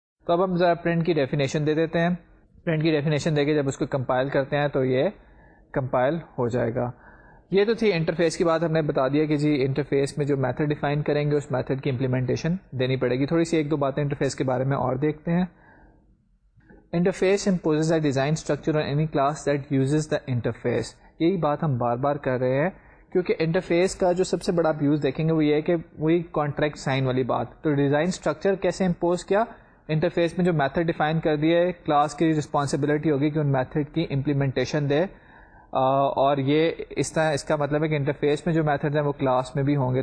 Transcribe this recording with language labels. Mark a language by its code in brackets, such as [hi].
[ur] تو اب ہم ذرا پرنٹ کی ڈیفینیشن دے دیتے ہیں. پرنٹ کی ڈیفینیشن دے کے جب اس کو کمپائل کرتے ہیں تو یہ کمپائل ہو جائے گا. یہ تو تھی انٹرفیس کی بات, ہم نے بتا دیا کہ جی انٹرفیس میں جو میتھڈ ڈیفائن کریں گے اس میتھڈ کی امپلیمنٹیشن دینی پڑے گی. تھوڑی سی ایک دو باتیں انٹرفیس کے بارے میں اور دیکھتے ہیں. [en] Interface imposes a design structure on any class that uses the interface. [ur] یہی بات ہم بار بار کر رہے ہیں کیونکہ انٹرفیس کا جو سب سے بڑا ویوز دیکھیں گے وہ یہ ہے کہ وہی کانٹریکٹ سائن والی بات. تو ڈیزائن اسٹرکچر کیسے امپوز کیا, انٹرفیس میں جو میتھڈ ڈیفائن کر دیا ہے کلاس کی رسپانسبلٹی ہوگی کہ ان میتھڈ کی امپلیمنٹیشن دے, اور یہ اس طرح اس کا مطلب ہے کہ انٹرفیس میں جو میتھڈ ہیں وہ کلاس میں بھی ہوں گے.